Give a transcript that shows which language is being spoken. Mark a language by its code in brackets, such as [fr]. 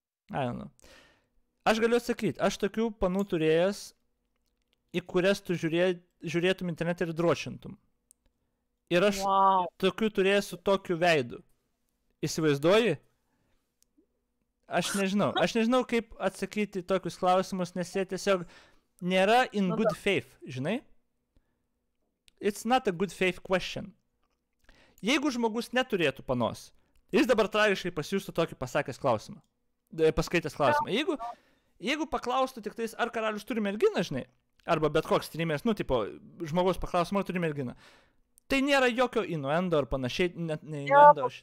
[en] I don't know. [lt] Aš galiu atsakyti, aš tokių panų turėjęs, į kurias tu žiūrėtum internetą ir drošintum. Ir aš tokių turėjęs su tokiu veidu. Įsivaizduoji? Aš nežinau, kaip atsakyti tokius klausimus, nes jie tiesiog nėra [en] in good faith, [lt] žinai? [en] It's not a good faith question. [lt] Jeigu žmogus neturėtų panos, jis dabar tragiškai pasijūstų tokį pasakęs klausimą. Paskaitęs klausimą. Jeigu paklaustų tik tais, ar karalius turi merginą, žinai, arba bet koks streamers, nu, tipo, žmogus paklausimą, ar turi merginą, tai nėra jokio innuendo ar panašiai, net ne innuendo.